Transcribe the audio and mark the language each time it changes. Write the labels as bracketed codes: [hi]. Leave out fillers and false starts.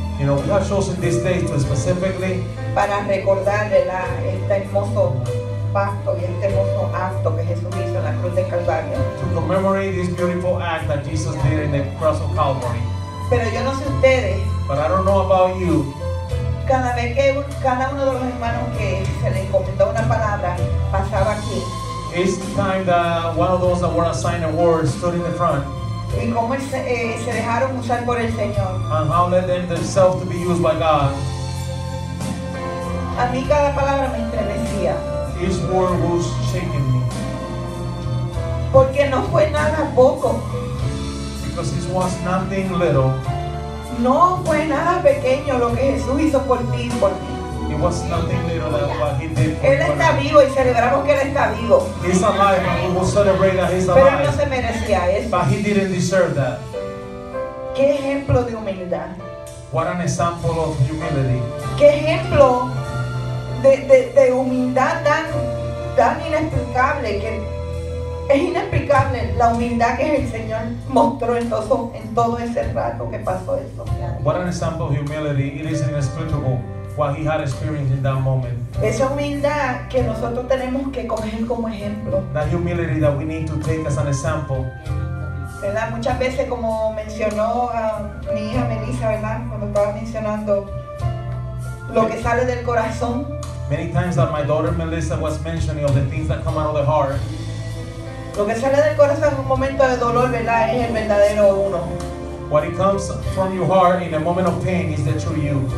[en] You know, we have chosen this day to specifically [es] para recordar, ¿verdad? Este hermoso pacto y este hermoso acto que Jesús hizo en la cruz de Calvario. [en] To commemorate this beautiful act that Jesus did in the cross of Calvary. [es] Pero yo no sé ustedes. [en] But I don't know about you. [es] Cada vez que cada uno de los hermanos que se le encomendó una palabra pasaba aquí. [en] It's the time that one of those that were assigned a word stood in the front. [es] Y cómo se dejaron usar por el Señor. [en] And how let them themselves to be used by God. [es] A mí cada palabra me estremecía. [en] His word was shaking me. [es] Porque no fue nada poco. [en] Because it was nothing little. [es] No fue nada pequeño lo que Jesús hizo por ti y por mí. [en] It was nothing little that what he did for [es] Él está vivo y celebramos que Él está vivo. [en] He's alive and we will celebrate that he's alive. [es] Pero no se merecía eso. [en] But he didn't deserve that. [es] ¿Qué ejemplo de humildad? [en] What an example of humility. [es] ¿Qué ejemplo de humildad tan inexplicable? Que es inexplicable la humildad que el Señor mostró en todo ese rato que pasó eso. [en] What an example of humility. It is inexplicable what he had experienced in that moment. [es] Esa humildad que nosotros tenemos que coger como ejemplo. [en] That humility that we need to take as an example. [es] ¿Verdad? Muchas veces como mencionó mi hija Melissa, ¿verdad? Cuando estaba mencionando lo que sale del corazón. [en] Many times that my daughter Melissa was mentioning of the things that come out of the heart. [es] Lo que sale del corazón en un momento de dolor, ¿verdad? Es el verdadero uno. [en] What it comes from your heart in a moment of pain is the true you.